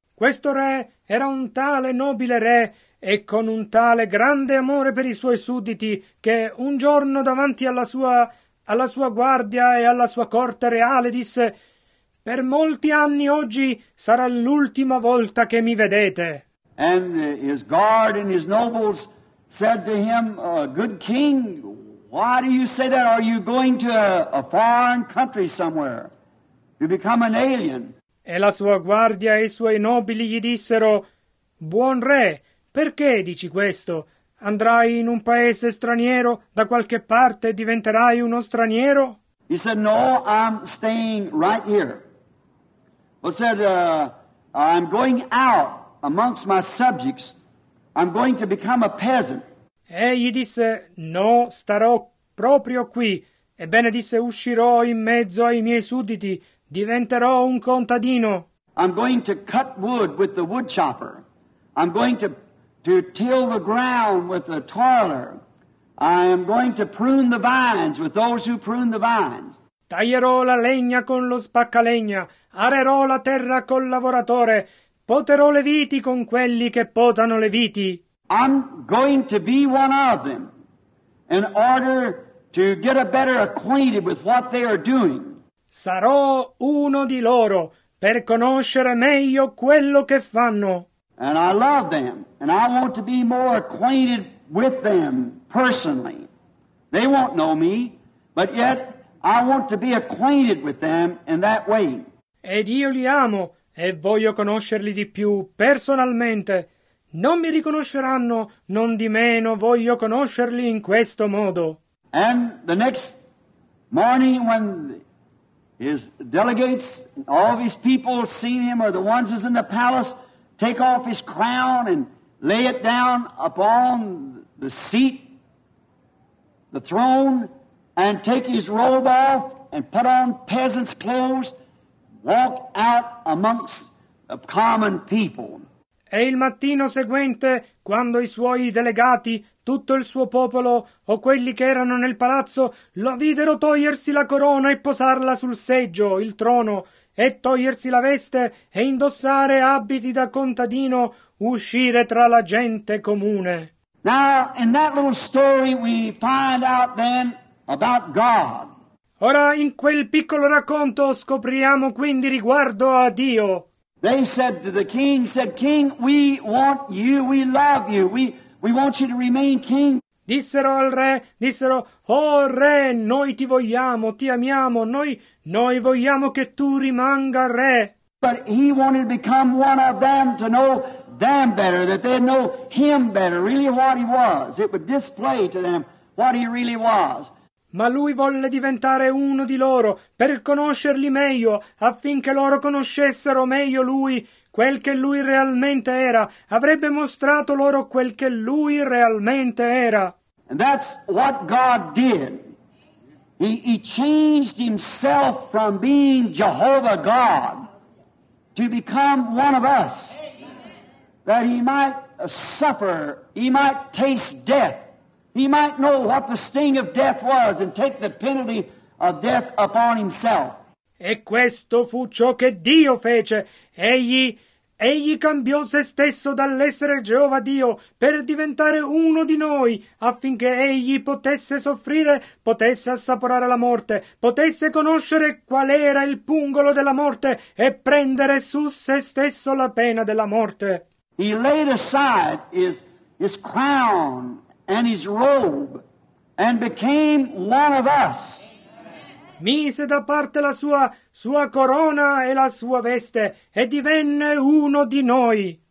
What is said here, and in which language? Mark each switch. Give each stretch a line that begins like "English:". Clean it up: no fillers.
Italian: Questo re era un tale nobile re, e con un tale grande amore per i suoi sudditi che un giorno davanti alla sua guardia e alla sua corte reale disse: per molti anni oggi sarà l'ultima volta che mi vedete.
English: And his guard and his nobles said to him, good king, why do you say that? Are you going to a foreign country somewhere? You become an alien.
Italian: E la sua guardia e i suoi nobili gli dissero: buon re, Perché dici questo? Andrai in un paese straniero, da qualche parte diventerai uno straniero?
English: He said, no, I'm staying right here. He said, I'm going out amongst my subjects. I'm going to become a peasant.
Italian: Egli disse, no, starò proprio qui. Ebbene disse, uscirò in mezzo ai miei sudditi, diventerò un contadino.
English: I'm going to cut wood with the wood chopper. I'm going to till the ground with the toiler. I am going to prune the vines with those who prune the vines.
Italian: Taglierò la legna con lo spaccalegna, arerò la terra col lavoratore, poterò le viti con quelli che potano le viti.
English: I'm going to be one of them in order to get a better acquainted with what they are doing.
Italian: Sarò uno di loro per conoscere meglio quello che fanno.
English: And I love them, and I want to be more acquainted with them personally. They won't know me, but yet I want to be acquainted with them in that way.
Italian: Ed io li amo, e voglio conoscerli di più personalmente. Non mi riconosceranno, non di meno voglio conoscerli in questo modo.
English: And the next morning when his delegates, all of his people seen him, or the ones who's in the palace, take off his crown and lay it down upon the seat, the throne, and take his robe off and put on peasant's clothes, walk out amongst the common people.
Italian: E il mattino seguente, quando i suoi delegati, tutto il suo popolo o quelli che erano nel palazzo, lo videro togliersi la corona e posarla sul seggio, il trono, e togliersi la veste e indossare abiti da contadino, uscire tra la gente comune.
English: Now, in that little story we find out then about God.
Italian: Ora, in quel piccolo racconto, scopriamo quindi riguardo a Dio.
English: They said to the king, said, King, we want you, we love you, we want you to remain king.
Italian: Dissero al re, dissero, oh re, noi ti vogliamo, ti amiamo, noi vogliamo che tu rimanga re.
English: But he wanted to become one of them, to know them better, that they'd know him better, really what he was. It would display to them what he really was.
Italian: Ma lui volle diventare uno di loro, per conoscerli meglio, affinché loro conoscessero meglio lui, quel che lui realmente era. Avrebbe mostrato loro quel che lui realmente era.
English: And that's what God did. He changed himself from being Jehovah God to become one of us, that he might suffer, he might taste death, he might know what the sting of death was and take the penalty of death upon himself.
Italian: E questo fu ciò che Dio fece. Egli cambiò se stesso dall'essere Geova Dio per diventare uno di noi, affinché egli potesse soffrire, potesse assaporare la morte, potesse conoscere qual era il pungolo della morte e prendere su se stesso la pena della morte.
English: He laid aside his crown and his robe and became one of us.
Italian: Mise da parte la sua corona e la sua veste e divenne uno di noi.